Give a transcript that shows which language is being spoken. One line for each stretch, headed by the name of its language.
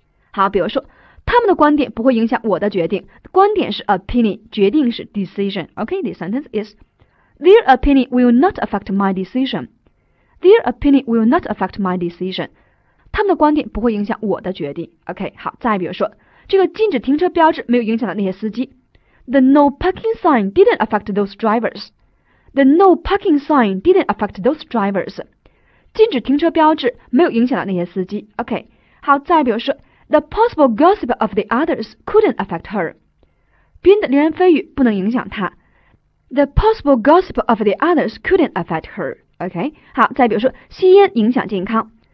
Chinese: 好，比如说，他们的观点不会影响我的决定。观点是 opinion， 决定是 decision。
English: OK， the sentence is their opinion will not affect my decision. Their opinion will not affect my decision.
Chinese: 他们的观点不会影响我的决定。OK， 好，再比如说，这个禁止停车标志没有影响到那些司机。
English: The no parking sign didn't affect those drivers. The no parking sign didn't affect those drivers.
Chinese: 禁止停车标志没有影响到那些司机。
English: OK,
Chinese: 好，再比如说
English: ,The possible gossip of the others couldn't affect her.
Chinese: 别人的流言蜚语不能影响她。
English: The possible gossip of the others couldn't affect her.
Chinese: OK, 好，再比如说吸烟影响健康。